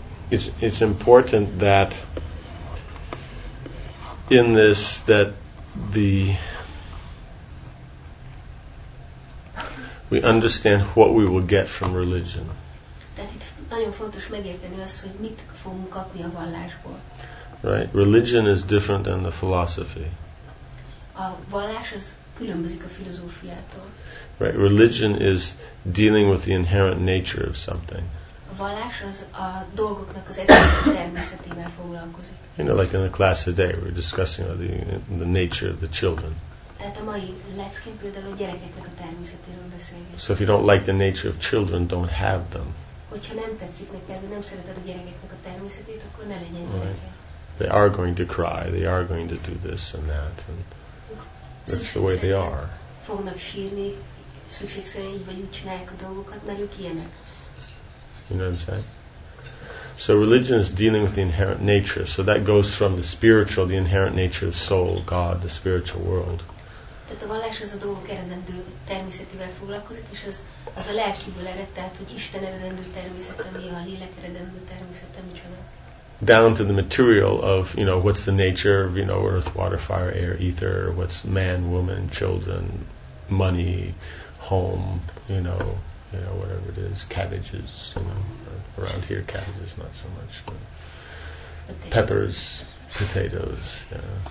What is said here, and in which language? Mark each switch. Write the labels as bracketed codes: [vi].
[en] It's important that in this, that we understand what we will get from religion. [hu] Tehát itt nagyon fontos megérteni azt, hogy mit fogunk kapni a vallásból. [en] Right? Religion is different than the philosophy. [hu] A vallás az különbözik a filozófiától. [en] Right? Religion is dealing with the inherent nature of something. [hu] A vallás az a dolgoknak az eredeti természetével foglalkozik. [en] You know, like in the class today, we're discussing the nature of the children. [hu] Tehát a mai leckén például a gyerekeknek a természetéről beszélgetünk. [en] So if you don't like the nature of children, don't have them. [hu] Hogyha nem tetszik neked, nem szereted a gyerekeknek a természetét, akkor ne legyen gyereke. [en] Right. They are going to cry, they are going to do this and that, and that's the way they are. [hu] Fognak sírni, szükségszerűen így vagy úgy csinálják a dolgokat, mert ők ilyenek. [en] You know what I'm saying? So religion is dealing with the inherent nature. So that goes from the spiritual, the inherent nature of soul, God, the spiritual world. [hu] Tehát a vallás az a dolgok eredendő természetével foglalkozik, és az a lelkiből ered, tehát hogy Isten eredendő természete, mi a lélek eredendő természete, micsoda. [en] Down to the material of, you know, what's the nature of, you know, earth, water, fire, air, ether, what's man, woman, children, money, home, you know. You know, whatever it is, cabbages, you know, around here, cabbages, not so much, but peppers, potatoes, yeah.